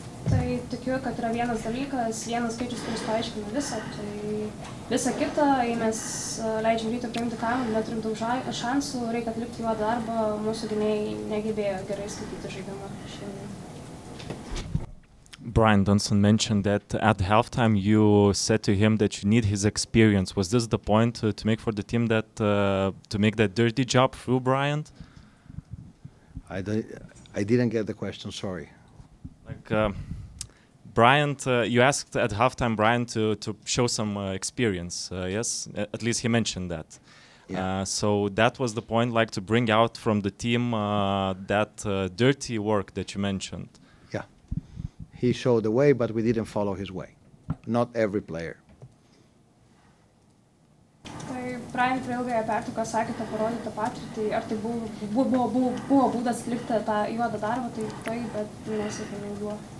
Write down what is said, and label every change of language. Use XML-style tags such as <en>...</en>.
<lt>Tai tikiu, kad yra vienas dalykas, vienas skaičius, kuris paaiškina visą. Tai visa kita, jei mes leidžiam rytą priimti kamą, neturim daug šansų, reikia atlikti juo darbą, mūsų gynėjai negebėjo gerai skaityti žaidimą šiandien.</lt> <en>Brian Dunson mentioned that at halftime you said to him that you need his experience. Was this the point to make for the team that to make that dirty job through Brian? I didn't get the question, sorry. Like Brian, you asked at halftime Brian to show some experience, yes? At least he mentioned that. Yeah. So that was the point, like to bring out from the team that dirty work that you mentioned. He showed the way, but we didn't follow his way. Not every player.</en> <lt>Tai Brian per ilgąją pertrauką sakėte parodyti patirtį, ar tai buvo būdas atlikti tą juodą darbą, tai taip, bet nesėkmingai buvo.</lt>